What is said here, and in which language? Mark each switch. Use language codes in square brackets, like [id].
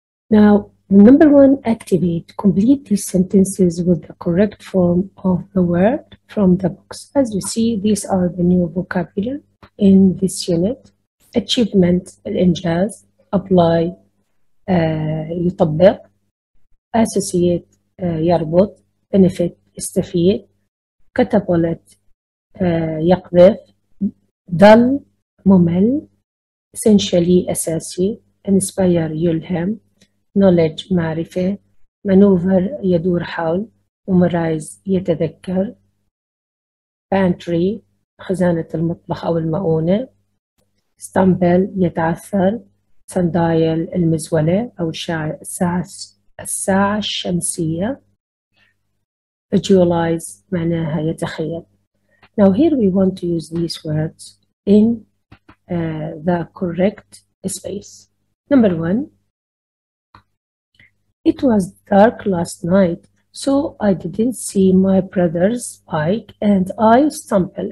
[en] Now, number one, activate. Complete these sentences with the correct form of the word from the box. As you see, these are the new vocabulary in this unit. Achievement, الإنجاز, apply, يطبق. Associate, يربط, benefit, يستفيد, catapult, يقذف, dull, ممل, essentially, أساسي, inspire, يلهم, knowledge, معرفة, maneuver, يدور حول, memorize, يتذكر, [ar] pantry, خزانة المطبخ أو المؤونة, stumble, يتعثر, sundial, المزولة أو الساعة الساعة الشمسية. Visualize معناها يتخيل. [en] Now here we want to use these words in the correct space. Number one. It was dark last night, so I didn't see my brother's bike and I stumbled.